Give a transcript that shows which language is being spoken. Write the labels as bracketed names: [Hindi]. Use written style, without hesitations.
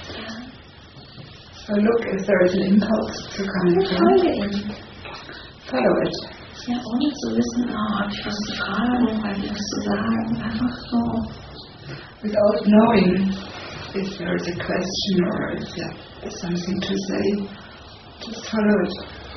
[English] So look if there is an impulse to come [German] in. Folge ihm. [English] Follow it. [German] Ja, ohne zu wissen, habe ich was zu fragen, weil ich was zu sagen, einfach so. [English] Without knowing if there is a question or if there is something to say, just follow it.